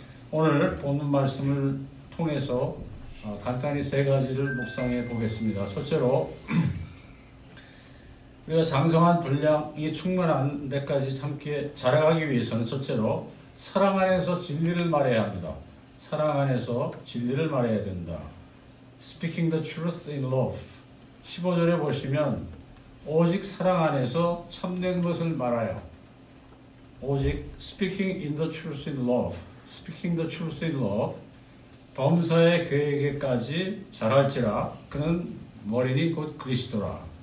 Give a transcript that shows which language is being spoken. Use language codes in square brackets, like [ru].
[ko] 오늘 본문 말씀을 통해서 간단히 세 가지를 묵상해 보겠습니다. 첫째로 우리가 장성한 분량이 충만한 데까지 함께 자라가기 위해서는 첫째로 사랑 안에서 진리를 말해야 합니다. 사랑 안에서 진리를 말해야 된다. [en] Speaking the truth in love. [ko] 15절에 보시면 오직 사랑 안에서 참된 것을 말하여 오직 [en] speaking in the truth in love, [ko] speaking the truth in love, 범사의 그에게까지 자랄지라 그는 머리니 곧 그리스도라.